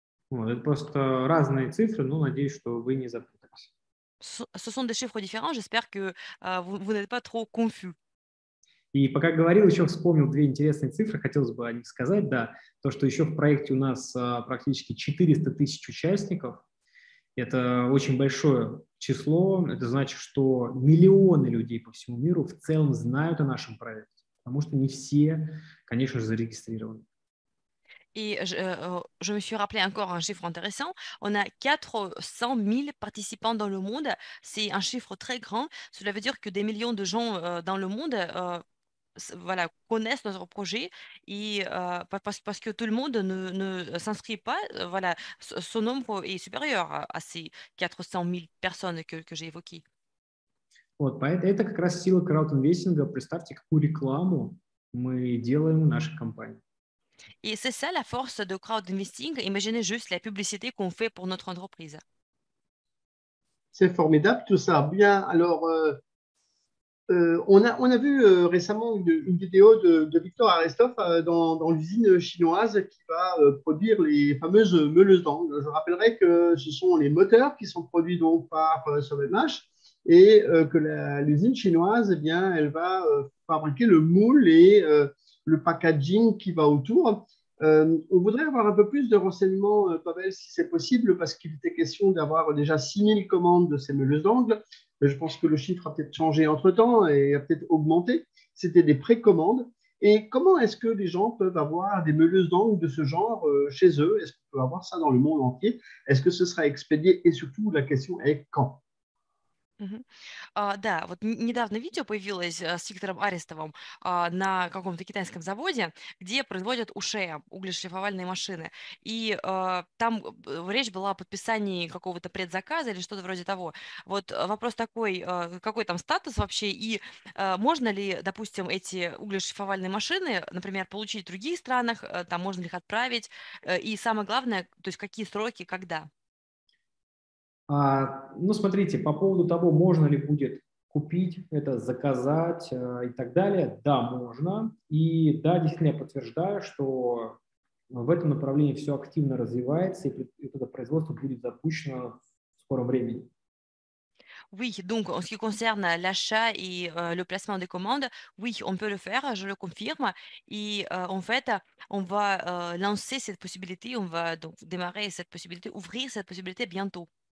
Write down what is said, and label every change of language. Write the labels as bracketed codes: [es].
[ru] Вот, это просто разные цифры, но надеюсь, что вы не запутались. [fr] Ce sont des chiffres différents. J'espère que vous n'êtes пas trop confus. [ru] И пока говорил, еще вспомнил две интересные цифры, хотелось бы о них сказать, да. То, что еще в проекте у нас практически 400 тысяч участников, это очень большое число, это значит, что миллионы людей по всему миру в целом знают о нашем проекте, потому что не все, конечно же, зарегистрированы. [fr] Et je me suis rappelé encore un chiffre intéressant. On a 400 000 participants dans le monde. C'est un chiffre très grand. Cela veut dire que des millions de gens dans le monde voilà, connaissent notre projet. Et parce que tout le monde ne s'inscrit pas, voilà, ce nombre est supérieur à ces 400 000 personnes que j'ai évoquées. [ru] Вот, поэтому это как раз сила краудинвестинга. Представьте, какую рекламу мы делаем в нашей компании. [fr] Et c'est ça la force de crowdinvesting. Imaginez juste la publicité qu'on fait pour notre entreprise. C'est formidable tout ça. Bien, alors, on a vu récemment une vidéo de Victor Aristoff dans l'usine chinoise qui va produire les fameuses meuleuses d'angle. Je rappellerai que ce sont les moteurs qui sont produits donc par Sauvelmash. Et que l'usine chinoise, eh bien, elle va fabriquer le moule et le packaging qui va autour. On voudrait avoir un peu plus de renseignements, Pavel, si c'est possible, parce qu'il était question d'avoir déjà 6 000 commandes de ces meuleuses d'angle. Mais je pense que le chiffre a peut-être changé entre-temps et a peut-être augmenté. C'était des précommandes. Et comment est-ce que les gens peuvent avoir des meuleuses d'angle de ce genre chez eux? Est-ce qu'on peut avoir ça dans le monde entier? Est-ce que ce sera expédié? Et surtout, la question est quand? [ru] Да, вот недавно видео появилось с Виктором Арестовым на каком-то китайском заводе, где производят УШЕ, углешлифовальные машины. И там речь была о подписании какого-то предзаказа или что-то вроде того. Вот вопрос такой, какой там статус вообще, и можно ли, допустим, эти углешлифовальные машины, например, получить в других странах, там можно ли их отправить, и самое главное, то есть какие сроки, когда? Ну, смотрите, по поводу того, можно ли будет купить это, заказать и так далее, да, можно. И да, действительно, я подтверждаю, что в этом направлении все активно развивается, и это производство будет запущено в скором времени. [fr] Oui, donc en ce qui concerne l'achat et le placement des commandes, oui, on peut le faire, je le confirme. Et en fait, on va lancer cette possibilité, on va donc démarrer cette possibilité, ouvrir cette possibilité bientôt.